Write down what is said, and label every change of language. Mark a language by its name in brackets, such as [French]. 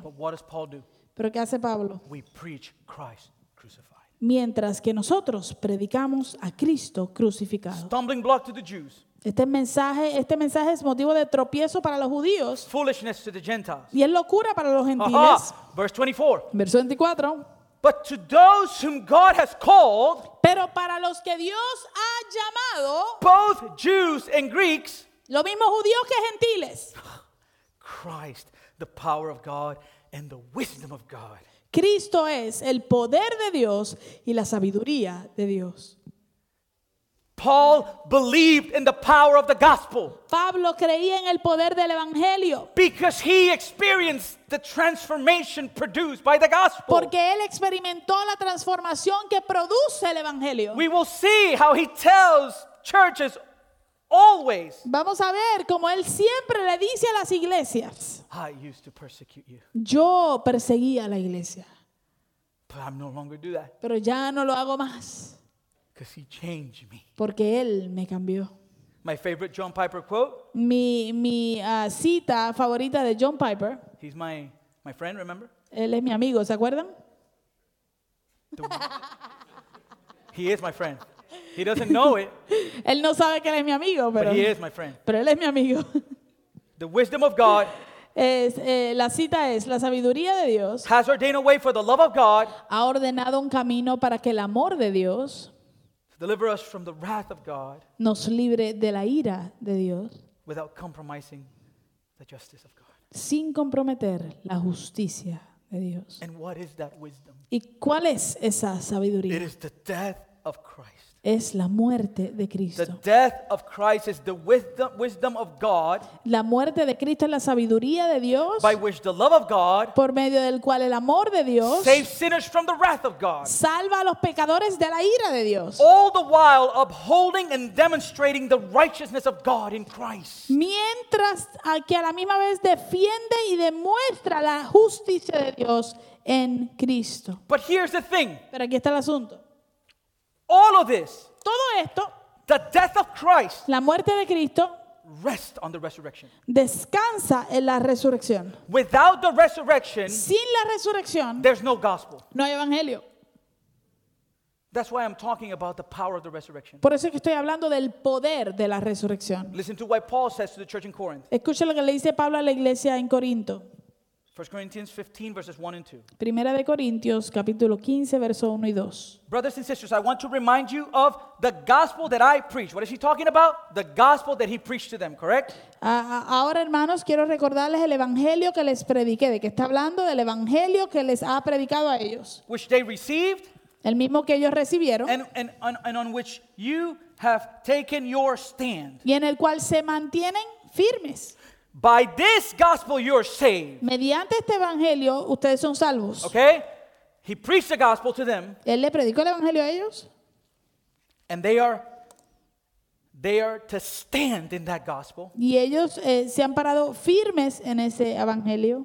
[English] But what does Paul do? [Spanish] ¿Pero qué hace Pablo? [English] We preach Christ crucified. [Spanish] mientras que nosotros predicamos a Cristo crucificado. [English] Stumbling block to the Jews. [Spanish] Este mensaje es motivo de tropiezo para los judíos. [English] Foolishness to the Gentiles. [Spanish] Y es locura para los gentiles. [English] Verse 24. [Spanish] Verso 24. [English] But to those whom God has called, [Spanish] pero para los que Dios ha llamado, [English] both Jews and Greeks, [Spanish] lo mismo judíos que gentiles, [English] Christ, the power of God and the wisdom of God. [Spanish] Cristo es el poder de Dios y la sabiduría de Dios. [English] Paul believed in the power of the gospel. [Spanish] Pablo creía en el poder del evangelio. [English] Because he experienced the transformation produced by the gospel. [Spanish] Porque él experimentó la transformación que produce el evangelio. [English] We will see how he tells churches always. [Spanish] Vamos a ver cómo él siempre le dice a las iglesias. [English] I used to persecute you. [Spanish] Yo perseguía a la iglesia. [English] But I no longer do that. [Spanish] Pero ya no lo hago más. [English] Because he changed me. [Spanish] Porque él me cambió. [English] My favorite John Piper quote. [Spanish] Mi cita favorita de John Piper. [English] He's my friend, remember? [Spanish] Él es mi amigo, ¿se acuerdan? [English] He is my friend. He doesn't know it. [Spanish] Él no sabe que él es mi amigo, pero. [English] But he is my friend. [Spanish] Pero él es mi amigo. [English] The wisdom of God. [Spanish] La cita es, la sabiduría de Dios. [English] Has ordained a way for the love of God. [Spanish] Ha ordenado un camino para que el amor de Dios. [English] Deliver us from the wrath of God. [Spanish] Nos libre de la ira de Dios. [English] Without compromising the justice of God. [Spanish] Sin comprometer la justicia de Dios. [English] And what is that wisdom? [Spanish] ¿Y cuál es esa sabiduría? [English] It is the death of Christ. [Spanish] Es la muerte de Cristo. [English] The death of Christ is the wisdom of God. [Spanish] La muerte de Cristo es la sabiduría de Dios. [English] By which the love of God. [Spanish] Por medio del cual el amor de Dios. [English] Saves sinners from the wrath of God. [Spanish] Salva a los pecadores de la ira de Dios. [English] All the while upholding and demonstrating the righteousness of God in Christ. [Spanish] Mientras que a la misma vez defiende y demuestra la justicia de Dios en Cristo. [English] But here's the thing. [Spanish] Pero aquí está el asunto. [English] All of this, [Spanish] todo esto, [English] the death of Christ, [Spanish] la muerte de Cristo, [English] rests on the resurrection. [Spanish] Descansa en la resurrección. [English] Without the resurrection, [Spanish] sin la resurrección, [English] there's no gospel. [Spanish] No hay evangelio. [English] That's why I'm talking about the power of the resurrection. [Spanish] Por eso es que estoy hablando del poder de la resurrección. [English] Listen to what Paul says to the church in Corinth. [Spanish] Escucha lo que le dice Pablo a la iglesia en Corinto. [English] 1 Corinthians 15, verses 1 and 2. [Spanish] Primera de Corintios, capítulo 15, verso 1 y 2. [English] Brothers and sisters, I want to remind you of the gospel that I preach. What is he talking about? The gospel that he preached to them, correct? [Spanish] Ahora, hermanos, quiero recordarles el evangelio que les prediqué. ¿De qué está hablando? Del evangelio que les ha predicado a ellos. [English] Which they received. [Spanish] El mismo que ellos recibieron. [English] And on which you have taken your stand. [Spanish] Y en el cual se mantienen firmes. [English] By this gospel you are saved. [Spanish] Mediante este evangelio ustedes son salvos. [English] Okay? He preached the gospel to them. [Spanish] Él le predicó el evangelio a ellos. [English] And they are to stand in that gospel. [Spanish] Y ellos se han parado firmes en ese evangelio.